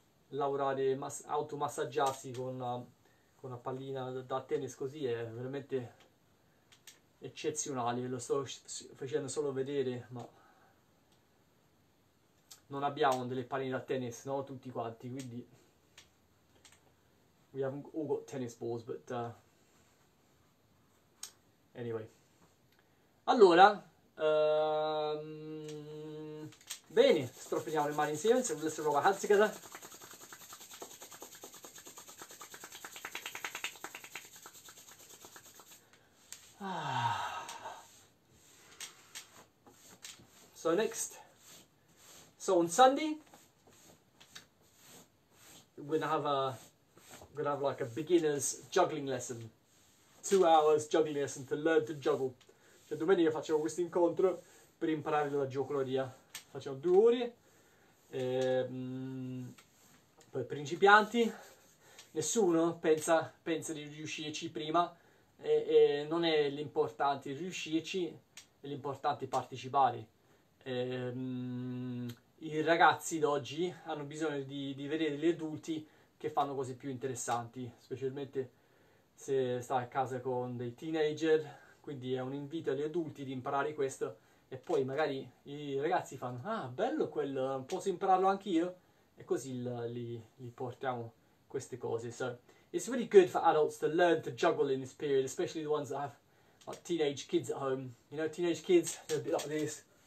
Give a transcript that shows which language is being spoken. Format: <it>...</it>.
<it>Lavorare, automassaggiarsi con una pallina da tennis così è veramente eccezionale. Lo sto facendo solo vedere, ma non abbiamo delle palline da tennis, no? Tutti quanti, quindi</it> <en>we haven't all got tennis balls, but anyway.</en> <it>Allora, bene, strofiniamo le mani insieme, se volesse roba</it> <en>hands together. So next, so on Sunday, we're gonna have like a beginner's juggling lesson, 2 hours juggling lesson to learn to juggle.</en> <it>Cioè domenica facciamo questo incontro per imparare la giocoleria. Facciamo 2 ore per principianti. Nessuno pensa di riuscirci prima. E non è l'importante riuscirci, è l'importante partecipare. I ragazzi d'oggi hanno bisogno di vedere gli adulti che fanno cose più interessanti, specialmente se stai a casa con dei teenager, quindi è un invito agli adulti di imparare questo e poi magari i ragazzi fanno: ah, bello quello, posso impararlo anch'io? E così li portiamo queste cose.</it> <en>So, it's really good for adults to learn to juggle in this period, especially the ones that have like teenage kids at home. You know, teenage kids, they're a bit like this.</en>